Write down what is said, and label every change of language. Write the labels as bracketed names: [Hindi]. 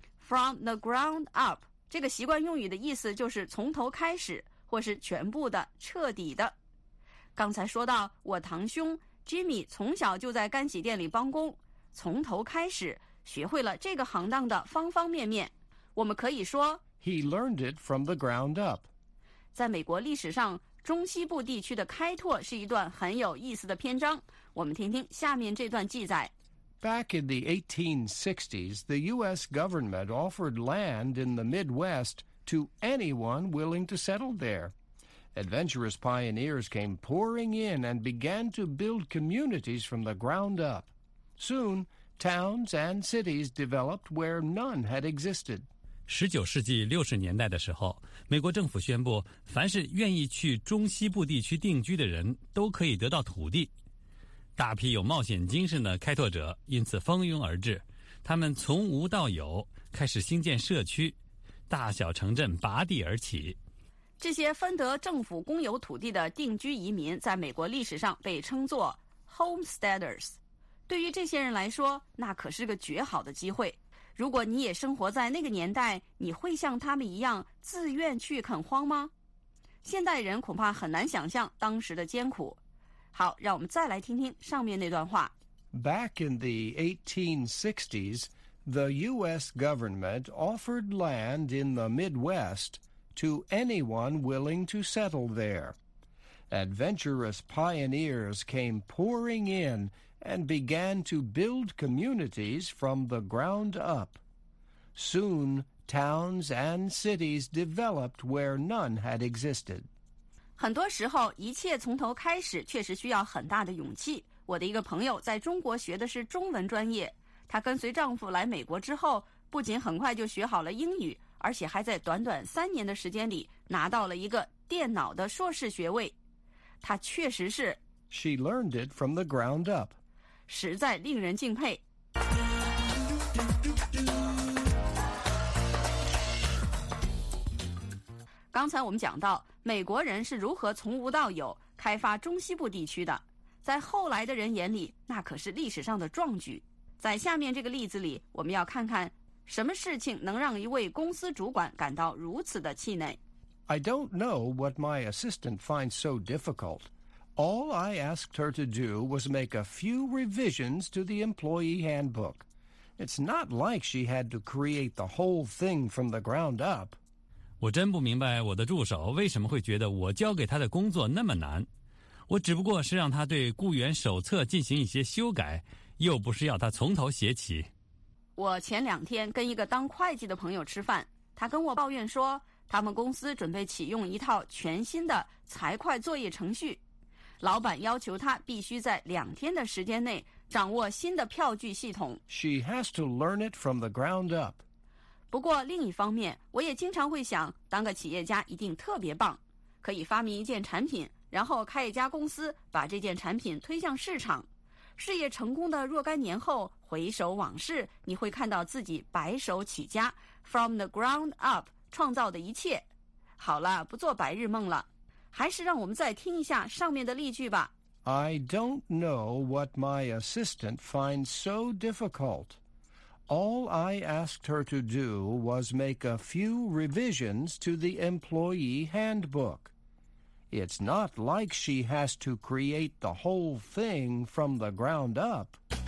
[English] From the ground up [Chinese] 这个习惯用语的意思就是从头开始，或是全部的、彻底的。刚才说到我堂兄 Jimmy 从小就在干洗店里帮工，从头开始学会了这个行当的方方面面。我们可以说 [English] He learned it from the ground up. [Chinese] 在美国历史上，中西部地区的开拓是一段很有意思的篇章。我们听听下面这段记载。 [English] Back in the 1860s, the U.S. government offered land in the Midwest to anyone willing to settle there. Adventurous pioneers came pouring in and began to build communities from the ground up. Soon, towns and cities developed where none had existed. [Chinese] 19世纪60年代的时候，美国政府宣布，凡是愿意去中西部地区定居的人都可以得到土地。大批有冒险精神的开拓者因此蜂拥而至，他们从无到有，开始兴建社区，大小城镇拔地而起。这些分得政府公有土地的定居移民在美国历史上被称作 homesteaders。对于这些人来说，那可是个绝好的机会。如果你也生活在那个年代，你会像他们一样自愿去垦荒吗？现代人恐怕很难想象当时的艰苦。好，让我们再来听听上面那段话。 [English] Back in the 1860s, the U.S. government offered land in the Midwest to anyone willing to settle there. Adventurous pioneers came pouring in and began to build communities from the ground up. Soon, towns and cities developed where none had existed. [Chinese] 很多时候，一切从头开始确实需要很大的勇气。我的一个朋友在中国学的是中文专业，她跟随丈夫来美国之后，不仅很快就学好了英语，而且还在短短三年的时间里拿到了一个电脑的硕士学位。她确实是 [English] She learned it from the ground up. [Chinese] 实在令人敬佩。刚才我们讲到美国人是如何从无到有开发中西部地区的，在后来的人眼里，那可是历史上的壮举。在下面这个例子里，我们要看看什么事情能让一位公司主管感到如此的气馁。 [English] I don't know what my assistant finds so difficult. All I asked her to do was make a few revisions to the employee handbook. It's not like she had to create the whole thing from the ground up. [Chinese] 我真不明白我的助手为什么会觉得我交给他的工作那么难。我只不过是让他对雇员手册进行一些修改，又不是要他从头写起。我前两天跟一个当会计的朋友吃饭，他跟我抱怨说，他们公司准备启用一套全新的财会作业程序，老板要求他必须在两天的时间内掌握新的票据系统。 [English] She has to learn it from the ground up. [Chinese] 不过另一方面，我也经常会想，当个企业家一定特别棒，可以发明一件产品，然后开一家公司，把这件产品推向市场。事业成功的若干年后，回首往事，你会看到自己白手起家 ， [English] from the ground up [Chinese] 创造的一切。好了，不做白日梦了，还是让我们再听一下上面的例句吧。 [English] I don't know what my assistant finds so difficult. All I asked her to do was make a few revisions to the employee handbook. It's not like she has to create the whole thing from the ground up.